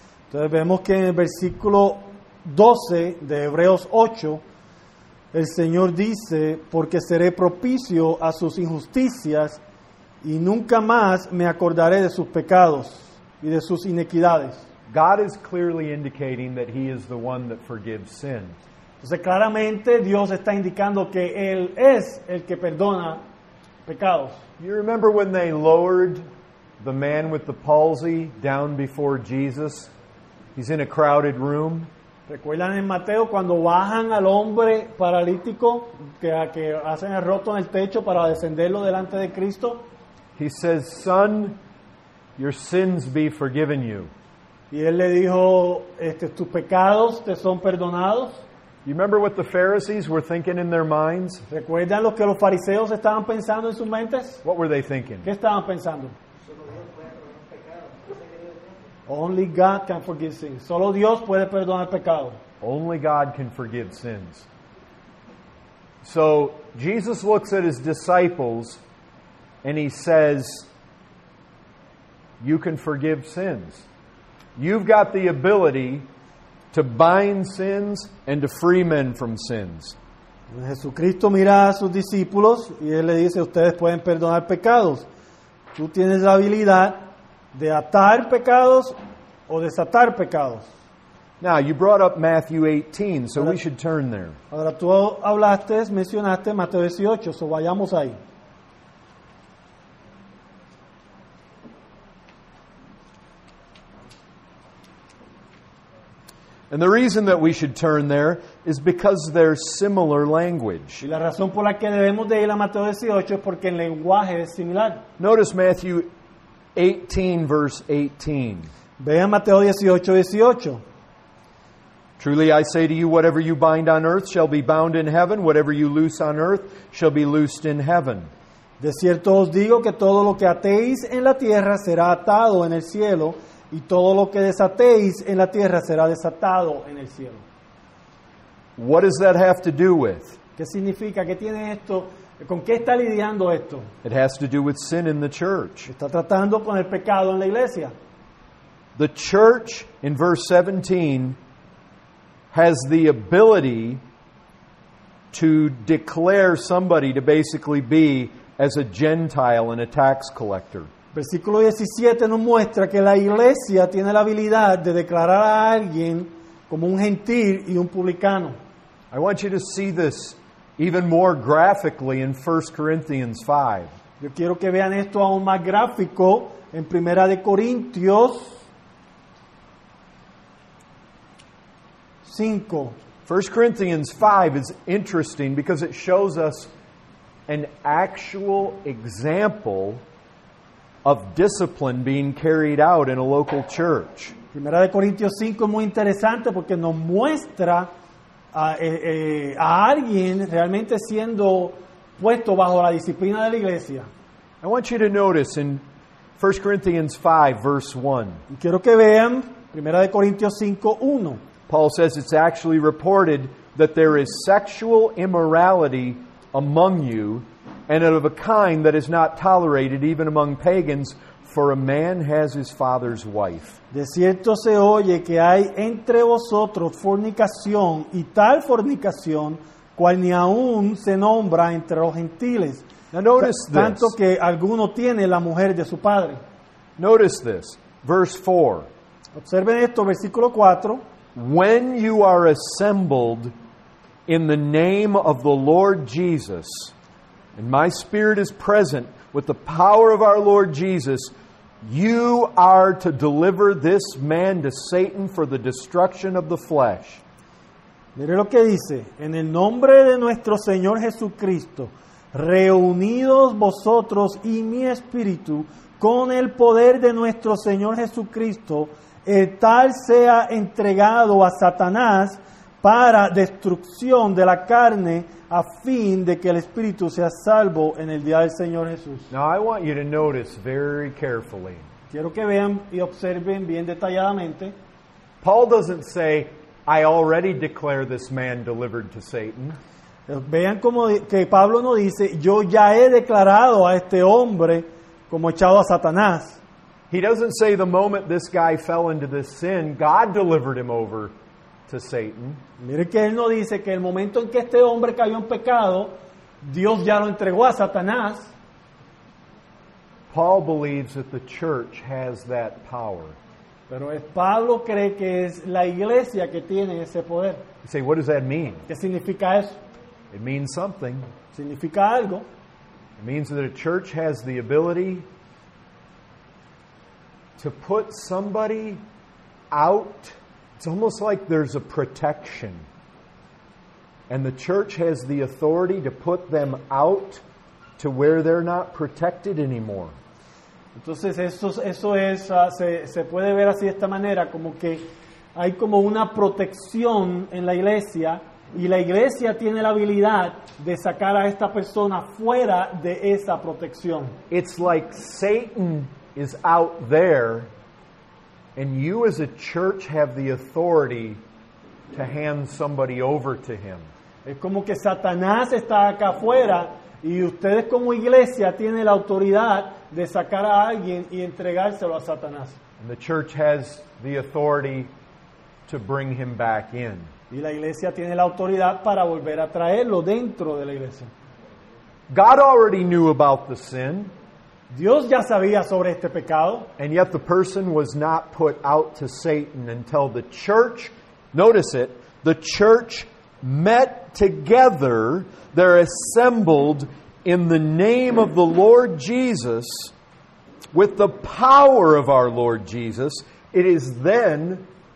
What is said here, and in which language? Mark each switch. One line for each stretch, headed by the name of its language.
Spanish: Entonces vemos que en el versículo 12 de Hebreos 8, el Señor dice, porque seré propicio a sus injusticias y nunca más me acordaré de sus pecados y de sus iniquidades.
English: God is clearly indicating that he is the one that forgives sin.
Spanish: Entonces claramente Dios está indicando que Él es el que perdona pecados.
English: You remember when they lowered the man with the palsy down before Jesus? He's in a crowded room.
Spanish: ¿Recuerdan en Mateo cuando bajan al hombre paralítico que hacen el roto en el techo para descenderlo delante de Cristo?
English: He says, "Son, your sins be forgiven you."
Spanish: Y él le dijo, tus pecados te son perdonados.
English: You remember what the Pharisees were thinking in their minds?
Spanish: ¿Recuerdan lo que los fariseos estaban pensando en sus mentes?
English: What were they thinking?
Spanish: ¿Qué estaban pensando?
English: Only God can forgive sins.
Spanish: Solo Dios puede perdonar pecado.
English: Only God can forgive sins. So, Jesus looks at his disciples and he says, you can forgive sins. You've got the ability to bind sins and to free men from sins.
Spanish: Jesucristo mira a sus discípulos y él le dice, ustedes pueden perdonar pecados. Tú tienes la habilidad de atar pecados o desatar pecados.
English: Now, you brought up Matthew 18, so we should turn there.
Spanish: Ahora, tú hablaste, mencionaste Mateo 18, so vayamos ahí.
English: And the reason that we should turn there is because they're similar language.
Spanish: Y la razón por la que debemos de ir a Mateo 18 es porque el lenguaje es similar.
English: Notice Matthew 18, verse 18.
Spanish: Vean Mateo 18, 18.
English: Truly I say to you, whatever you bind on earth shall be bound in heaven, whatever you loose on earth shall be loosed in heaven.
Spanish: De cierto os digo que todo lo que atéis en la tierra será atado en el cielo, y todo lo que desatéis en la tierra será desatado en el cielo.
English: What does that have to do with?
Spanish: ¿Qué significa? ¿Qué tiene esto? ¿Con qué está lidiando esto?
English: It has to do with sin in the church.
Spanish: Está tratando con el pecado en la iglesia.
English: The church, in verse 17, has the ability to declare somebody to basically be as a Gentile and a tax collector.
Spanish: Versículo 17 nos muestra que la iglesia tiene la habilidad de declarar a alguien como un gentil y un publicano.
English: I want you to see this even more graphically in 1 Corinthians 5.
Spanish: Yo quiero que vean esto aún más gráfico en Primera de Corintios 5.
English: 1 Corinthians 5 is interesting because it shows us an actual example of discipline being carried out in a local church.
Spanish: Primera de Corintios 5 es muy interesante porque nos muestra a alguien realmente siendo puesto bajo la disciplina de la iglesia.
English: I want you to notice in 1 Corinthians 5, verse 1.
Spanish: Y quiero que vean Primera de Corintios 5, 1.
English: Paul says it's actually reported that there is sexual immorality among you, and of a kind that is not tolerated even among pagans, for a man has his father's wife.
Spanish: De cierto se oye que hay entre vosotros fornicación y tal fornicación cual ni aún se nombra entre los gentiles.
English: Now notice this.
Spanish: Tanto que alguno tiene la mujer de su padre.
English: Notice this. Verse 4.
Spanish: Observen esto, versículo 4.
English: When you are assembled in the name of the Lord Jesus, and my spirit is present with the power of our Lord Jesus, you are to deliver this man to Satan for the destruction of the flesh.
Spanish: Mire lo que dice. En el nombre de nuestro Señor Jesucristo, reunidos vosotros y mi espíritu, con el poder de nuestro Señor Jesucristo, el tal sea entregado a Satanás para destrucción de la carne, a fin de que el espíritu sea salvo en el día del Señor Jesús.
English: Now I want you to notice very carefully.
Spanish: Quiero que vean y observen bien detalladamente.
English: Paul doesn't say, I already declare this man delivered to Satan.
Spanish: Vean como que Pablo no dice, yo ya he declarado a este hombre como echado a Satanás.
English: He doesn't say the moment this guy fell into this sin, God delivered him over to Satan.
Spanish: Mire que él no dice que el momento en que este hombre cayó en pecado, Dios ya lo entregó a Satanás.
English: Paul believes that the church has that power.
Spanish: Pero Pablo cree que es la iglesia que tiene ese poder.
English: You say, what does that mean?
Spanish: ¿Qué significa eso?
English: It means something.
Spanish: Significa algo.
English: It means that a church has the ability to put somebody out. It's almost like there's a protection. And the church has the authority to put them out to where they're not protected anymore.
Spanish: Entonces eso se puede ver así de esta manera, como que hay como una protección en la iglesia, y la iglesia tiene la habilidad de sacar a esta persona fuera de esa protección.
English: It's like Satan is out there, and you as a church have the authority to hand somebody over to him.
Spanish: Es como que Satanás está acá afuera y ustedes como iglesia tienen la autoridad de sacar a alguien y entregárselo a Satanás.
English: And the church has the authority to bring him back in.
Spanish: Y la iglesia tiene la autoridad para volver a traerlo dentro de la iglesia.
English: God already knew about the sin.
Spanish: Dios ya sabía sobre este pecado.
English: And yet the person was not put out to Satan until the church, notice it, the church met together, they're assembled in the name of the Lord Jesus with the power of our Lord Jesus. It is then